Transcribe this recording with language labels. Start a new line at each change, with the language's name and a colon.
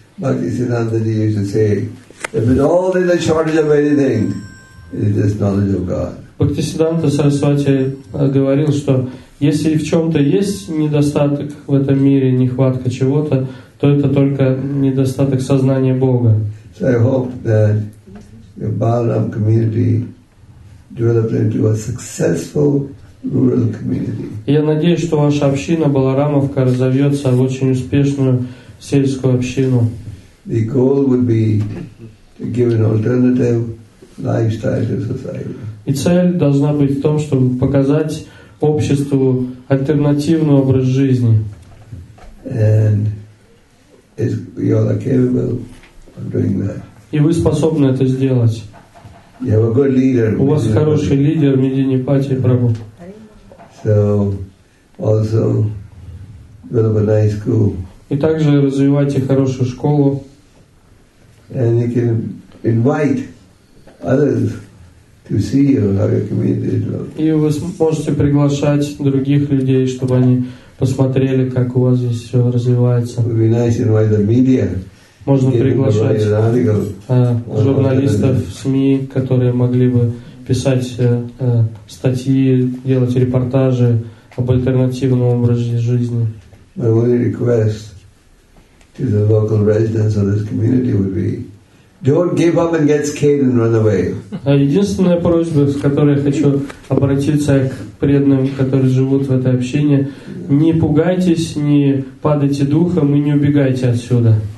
Russian: Бхактисиддханта Сарасвати говорил, что если в чем-то есть недостаток в этом мире, нехватка чего-то, то это только недостаток сознания Бога.
English: So I hope that the Balaram community develops into a successful rural community.
Russian: Я надеюсь, что ваша община Баларамовка разовьется в очень успешную сельскую общину.
English: The goal would be to give an alternative lifestyle to society.
Russian: И цель должна быть в том, чтобы показать обществу альтернативный образ жизни.
English: And is you are capable of doing that.
Russian: И вы способны это сделать.
English: You have a good leader.
Russian: У вас хороший лидер Мединипати Прабху.
English: So also develop a nice school.
Russian: И также развивайте хорошую школу.
English: And you can invite others to see you, how your community is doing.
Russian: И вы можете приглашать других людей, чтобы они посмотрели, как у вас здесь все развивается.
English: It would be nice to invite the media.
Russian: Можно приглашать журналистов, СМИ, которые могли бы писать статьи, делать репортажи об альтернативном образе жизни.
English: My only request to the local residents of this community would be: don't give up and get scared and run away.
Russian: Единственная просьба, с которой я хочу обратиться к преданным, которые живут в этой общине: не пугайтесь, не падайте духом и не убегайте отсюда.